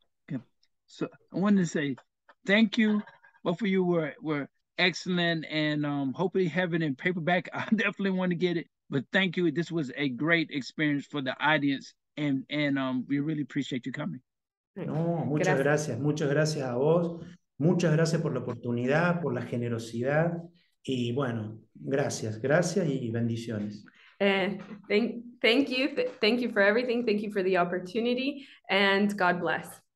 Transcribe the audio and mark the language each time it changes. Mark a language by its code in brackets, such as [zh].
[en] Okay, so I wanted to say thank you. Both of you were excellent, and hopefully have it in paperback. I definitely want to get it. But thank you. This was a great experience for the audience, and we really appreciate you coming. [es] No, muchas gracias a vos. Muchas gracias por la oportunidad, por la generosidad, y bueno, gracias y bendiciones. [en] Thank you for everything. Thank you for the opportunity, and God bless.